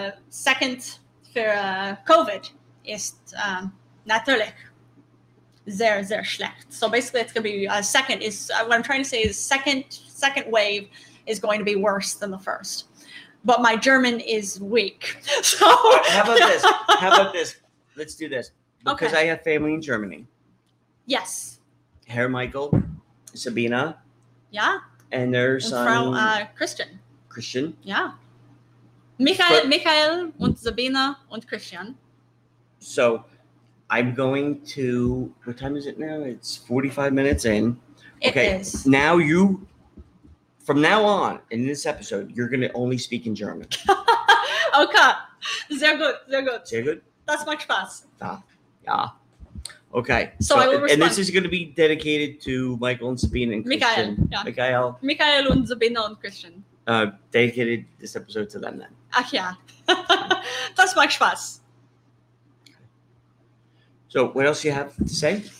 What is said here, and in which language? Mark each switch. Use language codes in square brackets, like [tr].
[de] Second für COVID ist natürlich sehr, sehr schlecht. [en] So basically it's going to be second is, what I'm trying to say is second wave is going to be worse than the first. But my German is weak. So how about this? Let's do this. Because okay. I have family in Germany. Yes. [de] Herr Michael, Sabina. [en] Yeah. And their son. From Christian. Christian. Yeah. [de] Michael und Sabina und Christian. [en] So I'm going to, what time is it now? It's 45 minutes in. It is. Now you, from now on in this episode, you're going to only speak in German. [de] Okay. Sehr gut. Sehr gut. Das macht Spaß. Ja. Okay. [en] So I will respond. And this is going to be dedicated to Michael and Sabina and Christian. [de] Michael und Sabina und Christian. [en] Dedicated this episode to them then. [de] Ach ja. Das macht Spaß. [en] So what else do you have to say?